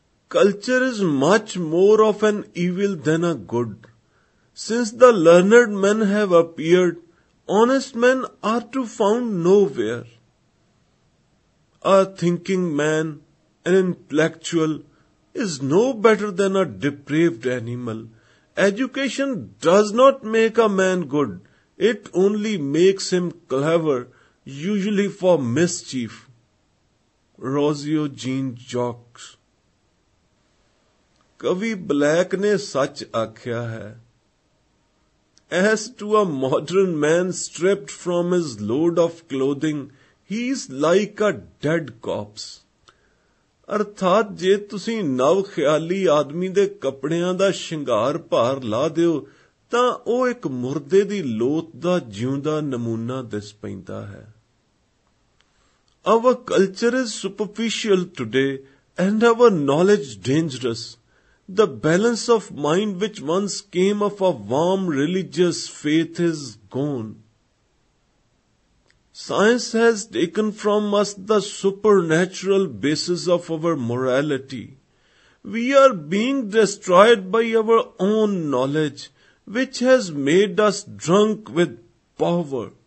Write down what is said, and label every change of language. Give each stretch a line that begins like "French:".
English: Culture is much more of an evil than a good. Since the learned men have appeared, honest men are to found nowhere. A thinking man, an intellectual, is no better than a depraved animal. Education does not make a man good, it only makes him clever, usually for mischief. Rosio Jean Jacques.
Punjabi: Kavi Black ne sach akhya hai.
English: As to a modern man stripped from his load of clothing, he is like a dead corpse.
Punjabi: ਅਰਥਾਤ ਜੇ ਤੁਸੀਂ ਨਵ ਖਿਆਲੀ ਆਦਮੀ ਦੇ ਕੱਪੜਿਆਂ ਦਾ ਸ਼ਿੰਗਾਰ ਭਾਰ ਲਾ ਦਿਓ ਤਾਂ ਉਹ ਇੱਕ ਮੁਰਦੇ ਦੀ ਲੋਥ ਦਾ ਜਿਉਂਦਾ ਨਮੂਨਾ ਦਿਸ ਪੈਂਦਾ ਹੈ।
English: Our culture is superficial today and our knowledge dangerous. The balance of mind which once came of a warm religious faith is gone. Science has taken from us the supernatural basis of our morality. We are being destroyed by our own knowledge, which has made us drunk with power.